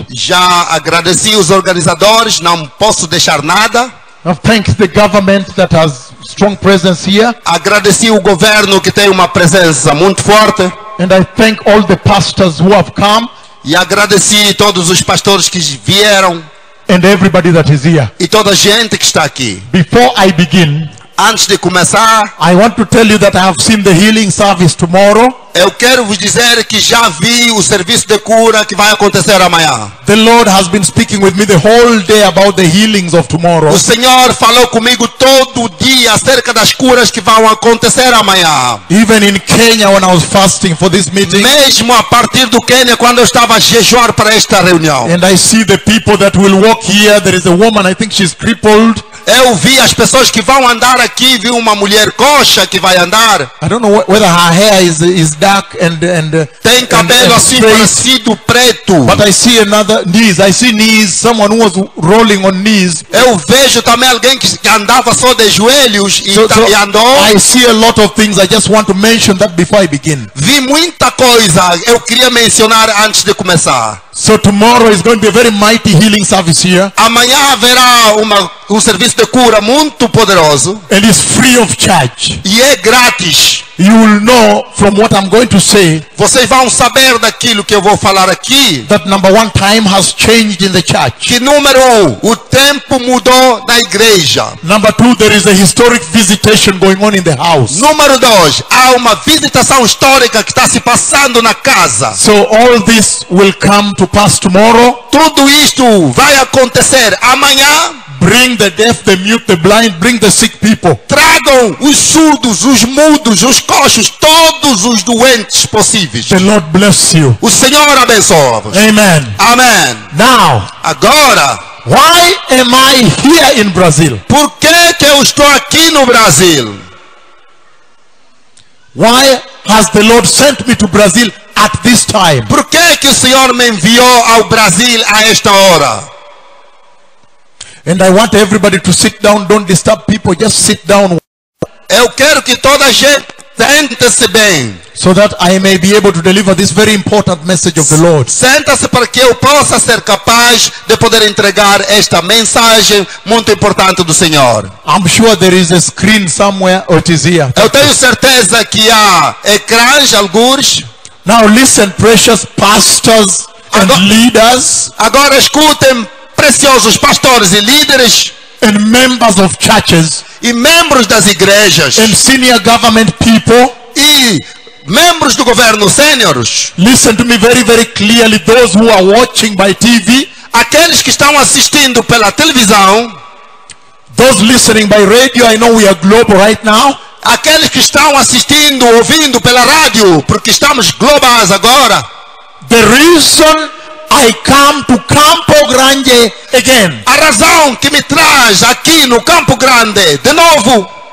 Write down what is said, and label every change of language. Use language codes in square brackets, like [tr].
[pt] Já agradeci os organizadores, não posso deixar nada. [en] I've thanked the government that has strong presence here. [pt] Agradeci o governo que tem uma presença muito forte. [en] And I thank all the pastors who have come. [pt] E agradeci todos os pastores que vieram. [en] And everybody that is here. [pt] E toda a gente que está aqui. [en] Before I begin, [pt] antes de começar, [en] I want to tell you that I have seen the healing service tomorrow. [pt] Eu quero vos dizer que já vi o serviço de cura que vai acontecer amanhã. [en] The Lord has been speaking with me the whole day about the healings of tomorrow. [pt] O Senhor falou comigo todo dia acerca das curas que vão acontecer amanhã. [en] Even in Kenya when I was fasting for this meeting. [pt] Mesmo a partir do Quênia quando eu estava a jejuar para esta reunião. [en] And I see the people that will walk here. There is a woman, I think she's crippled. [pt] Eu vi as pessoas que vão andar aqui, vi uma mulher coxa que vai andar. [en] I don't know whether her hair is dark and [pt] tem cabelo assim parecido preto. [en] But I see another knees. I see knees. Someone was rolling on knees. [pt] Eu vejo também alguém que andava só de joelhos e andou. [en] I see a lot of things. I just want to mention that before I begin. [pt] Vi muita coisa. Eu queria mencionar antes de começar. [en] So tomorrow is going to be a very mighty healing service here. [pt] Amanhã haverá um serviço de cura muito poderoso. [en] And it's free of charge. [pt] E é grátis. [en] You will know from what I'm going to say. [pt] Vocês vão saber daquilo que eu vou falar aqui. [en] That number one, time has changed in the church. [pt] Que número um, o tempo mudou na igreja. [en] Number two, there is a historic visitation going on in the house. [pt] Número dois, há uma visitação histórica que está se passando na casa. [en] So all this will come to pass tomorrow. [pt] Tudo isto vai acontecer amanhã. [en] Bring the deaf, the mute, the blind, bring the sick people. [pt] Tragam os surdos, os mudos, os coxos, todos os doentes possíveis. [en] The Lord bless you. [pt] O Senhor abençoa-vos. [en] Amen. [pt] Amen. [en] Now, [pt] agora, [en] why am I here in Brazil? [pt] Por que que eu estou aqui no Brasil? [en] Why has the Lord sent me to Brazil at this time? [pt] Por que que o Senhor me enviou ao Brasil a esta hora? [en] And I want everybody to sit down, don't disturb people, just sit down. [pt] Eu quero que toda a gente sente-se bem. [en] So that I may be able to deliver this very important message of the Lord. [pt] Senta-se para que eu possa ser capaz de poder entregar esta mensagem muito importante do Senhor. [en] I'm sure there is a screen somewhere or it is here. [pt] Eu tenho certeza que há ecrãs alguns. [en] Now listen, precious pastors and leaders. [pt] Agora escutem. Preciosos pastores e líderes [en] and members of churches [pt] e membros das igrejas [en] and senior government people [pt] e membros do governo sêniores, [en] listen to me very very clearly, those who are watching by TV, [pt] aqueles que estão assistindo pela televisão, [en] those listening by radio, I know we are global right now, [pt] aqueles que estão assistindo, ouvindo pela rádio, porque estamos globais agora, [en] the reason I come to Campo Grande again. [pt] A razão que me traz aqui no Campo Grande de novo